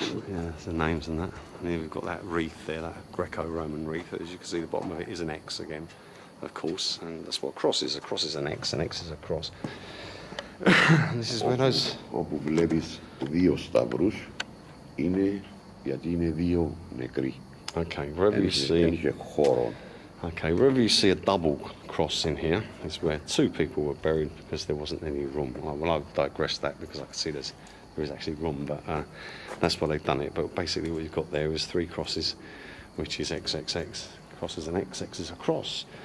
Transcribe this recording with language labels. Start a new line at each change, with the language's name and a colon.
English: Yeah, the names and that. And then we've got that wreath there, that Greco-Roman wreath. As you can see, the bottom of it is an X again, of course. And that's what a cross is. A cross is an X. An X is a cross. And this is where those...
Greek: Όπου βλέπεις δύο σταυρούς, είναι γιατί είναι δύο νεκροί.
English: Okay, wherever you see...
Greek: Είναι χώρο.
English: Okay, wherever you see a double cross in here is where two people were buried because there wasn't any room. Well, I've digressed that because I can see there is actually room, but that's why they've done it. But basically what you've got there is three crosses, which is XXX crosses, and XX is a cross.